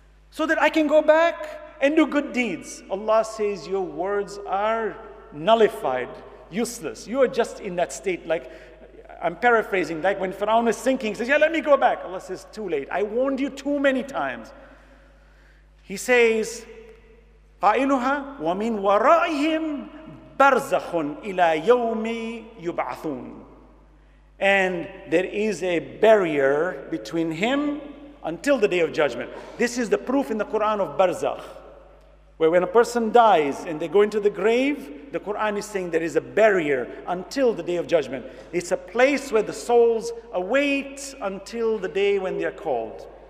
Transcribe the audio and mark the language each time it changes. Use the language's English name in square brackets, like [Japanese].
[English] So that I can go back and do good deeds. Allah says your words are nullified, useless. You are just in that state, like, I'm paraphrasing, like when Pharaoh is sinking, he says, yeah, let me go back. Allah says, too late. I warned you too many times. He says, [Arabic] قَائِلُهَا وَمِنْ وَرَائِهِمْ بَرْزَخٌ إِلَى يَوْمِ يُبْعَثُونَ. [English] And there is a barrier between him until the day of judgment. This is the proof in the Quran of barzakh, where when a person dies and they go into the grave, the Quran is saying there is a barrier until the day of judgment. It's a place where the souls await until the day when they are called.